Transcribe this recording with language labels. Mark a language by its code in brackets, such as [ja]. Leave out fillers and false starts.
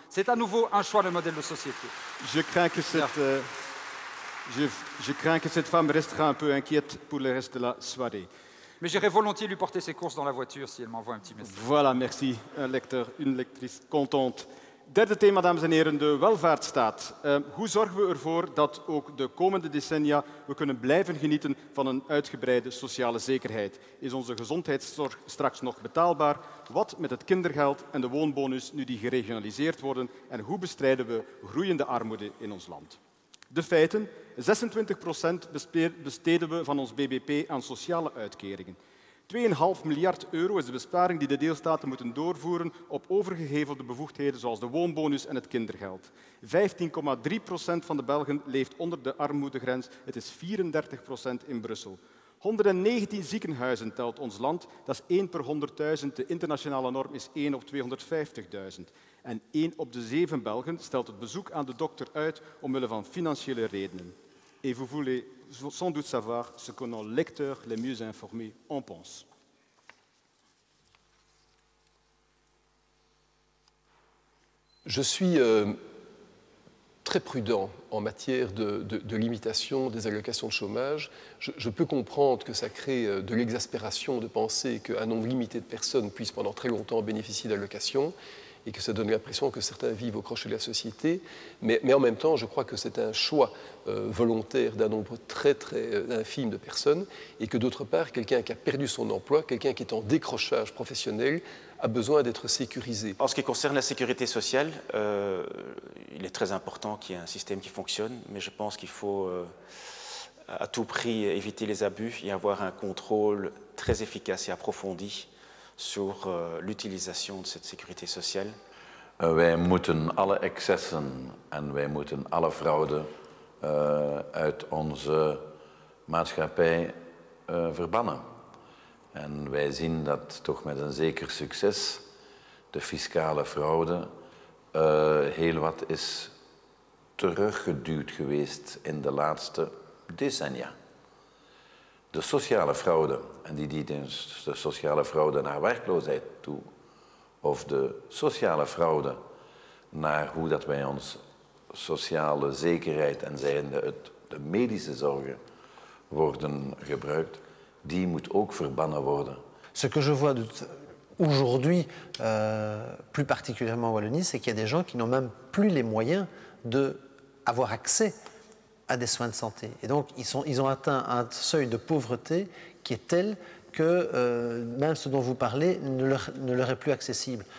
[fr] C'est à nouveau un choix de modèle de société. Je crains que cette femme restera un peu inquiète pour le reste de la soirée. Mais j'irai volontiers lui porter ses courses dans la voiture si elle m'envoie un petit message. Voilà, merci. Un lecteur, une lectrice contente. [nl] Derde thema, dames en heren, de welvaartsstaat. Hoe zorgen we ervoor dat ook de komende decennia we kunnen blijven genieten van een uitgebreide sociale zekerheid? Is onze gezondheidszorg straks nog betaalbaar? Wat met het kindergeld en de woonbonus nu die geregionaliseerd worden? En hoe bestrijden we groeiende armoede in ons land? De feiten. 26% besteden we van ons BBP aan sociale uitkeringen. 2,5 miljard euro is de besparing die de deelstaten moeten doorvoeren op overgehevelde bevoegdheden zoals de woonbonus en het kindergeld. 15,3% van de Belgen leeft onder de armoedegrens. Het is 34% in Brussel. 119 ziekenhuizen telt ons land. Dat is 1 per 100.000. De internationale norm is 1 op 250.000. En 1 op de 7 Belgen stelt het bezoek aan de dokter uit omwille van financiële redenen. [fr] Et vous voulez sans doute savoir ce que nos lecteurs les mieux informés en pensent. Je suis très prudent en matière de limitation des allocations de chômage. Je peux comprendre que ça crée de l'exaspération de penser qu'un nombre limité de personnes puisse pendant très longtemps bénéficier d'allocations. et que ça donne l'impression que certains vivent au crochet de la société. Mais en même temps, je crois que c'est un choix volontaire d'un nombre très, très infime de personnes et que d'autre part, quelqu'un qui a perdu son emploi, quelqu'un qui est en décrochage professionnel, a besoin d'être sécurisé. En ce qui concerne la sécurité sociale, il est très important qu'il y ait un système qui fonctionne, mais je pense qu'il faut à tout prix éviter les abus et avoir un contrôle très efficace et approfondi sur l'utilisation de cette sécurité sociale. [nl] Wij moeten alle excessen en wij moeten alle fraude uit onze maatschappij verbannen. En wij zien dat toch met een zeker succes de fiscale fraude heel wat is teruggeduwd geweest in de laatste decennia. De sociale fraude, en die dient dus de sociale fraude naar werkloosheid toe, of de sociale fraude naar hoe dat wij ons sociale zekerheid en zijnde de medische zorgen worden gebruikt, die moet ook verbannen worden. [fr] Ce que je vois aujourd'hui, plus particulièrement en Wallonie, c'est qu'il y a des gens qui n'ont même plus les moyens d'avoir accès à des soins de santé. Et donc, ils ont atteint un seuil de pauvreté qui est tel que même ce dont vous parlez ne leur est plus accessible.